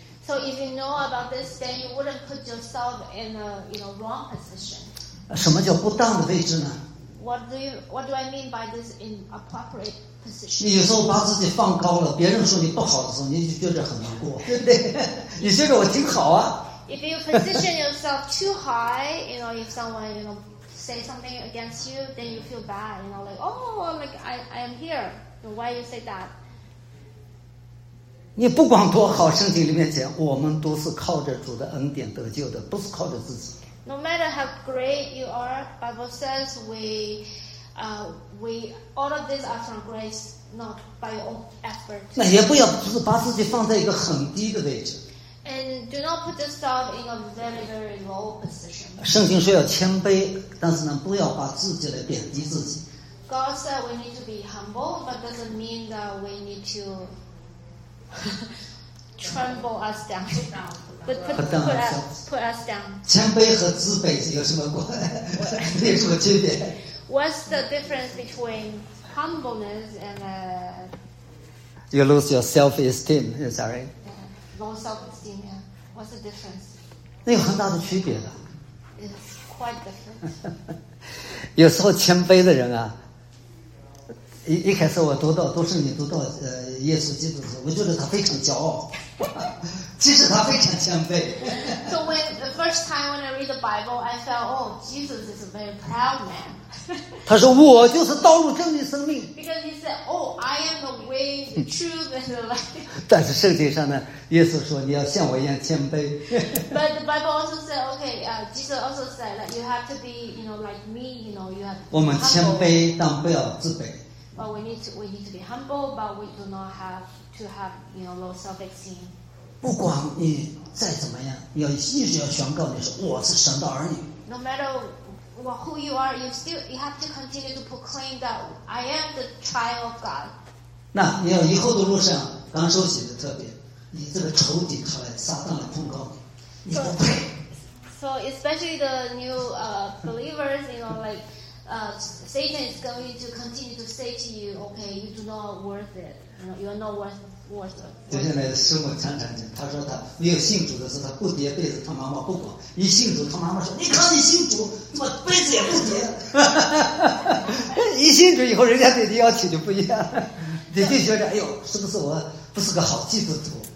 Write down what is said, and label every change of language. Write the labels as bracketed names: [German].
[English] So if you know about this, then you wouldn't put yourself in a, you know, wrong position. [Chinese] 什么叫不当的位置呢？ [English] What do I mean by this in appropriate position? [Chinese] 你有时候把自己放高了，别人说你不好的时候，你就觉得很难过，对不对？你觉得我挺好啊。 [English] If you position yourself too high, you know, if someone, you know, say something against you, then you feel bad, you know, like, oh, like, I am here. Why you say that? [Chinese] 你不管多好，圣经里面讲，我们都是靠着主的恩典得救的，不是靠着自己。 [English] No matter how great you are, Bible says we all of these are from grace, not by your own effort. [Chinese] 那也不要只把自己放在一个很低的位置。 [English] And do not put yourself in a very, very low position. [Chinese] 圣经说要谦卑，但是呢，不要把自己来贬低自己。 [English] God said we need to be humble, but doesn't mean that we need to tremble us down. Put us down. [Chinese] 谦卑和自卑是有什么关系？有什么区别 [English] ？What's the difference between humbleness and You lose your self-esteem. Sorry. Low self-esteem. What's the difference? [Chinese] 那有很大的区别的。 [English] It's quite different. [Chinese] 有时候谦卑的人啊，一开始我读到读圣经读到耶稣基督的时候，我觉得他非常骄傲，其实他非常谦卑。 [English] So when the first time when I read the Bible, I felt, oh, Jesus is a very proud man. [Chinese] 他说我就是道路真理生命。 [English] Because he said, oh, I am the way, the truth, and the life. [Chinese] 但是圣经上呢，耶稣说你要像我一样谦卑。 [English] But the Bible also said, okay, Jesus also said that you have to be, you know, like me, you know, you have. [Chinese] 我们谦卑，但不要自卑。 [English] But we need to be humble, but we do not have to have, you know, low self-esteem. [Chinese] 不管你再怎么样，要一直要宣告你是我是神的儿女。 [English] No matter who you are, you have to continue to proclaim that I am the child of God. [Chinese] 那你要以后的路上，刚受洗的特别，你这个仇敌出来，撒旦来控告你，你不配。 [English] So especially the new believers, you know, like. Satan is going to continue to say to you, okay, you do not worth it. You are not worth it. [Chinese] 就现在师母常常讲，他说他没有信主的时候，他不叠被子，他妈妈不管；一信主，他妈妈说：“你看你信主，怎么被子也不叠？” 一信主以后，人家对你要求就不一样，你就觉得哎呦，是不是我不是个好基督徒？